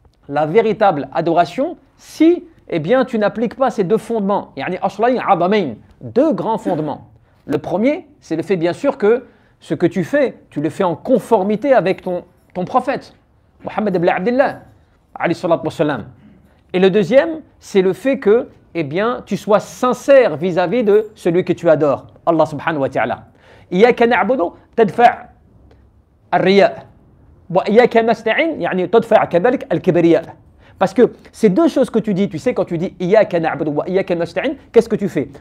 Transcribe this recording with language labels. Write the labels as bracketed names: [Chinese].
[French] la véritable adoration si tu n'appliques pas ces deux fondements [Arabic] يعني أصلين عظمين [French] deux grands fondements le premier c'est le fait bien sûr que ce que tu le fais en conformité avec ton prophète Mohammed ibn Abdillah [Arabic] عليه الصلاة والسلام [French] et le deuxième c'est le fait que tu sois sincère vis-à-vis de celui que tu adores, Allah subhanahu wa ta'ala. [Arabic] إياك نعبد تدفع الرياء وإياك نستعين يعني تدفع كذلك الكبرياء. [French] Parce que ces deux choses que tu dis, tu sais quand tu dis [Arabic] إياك نعبد وإياك نستعين, [French] qu'est-ce que tu fais?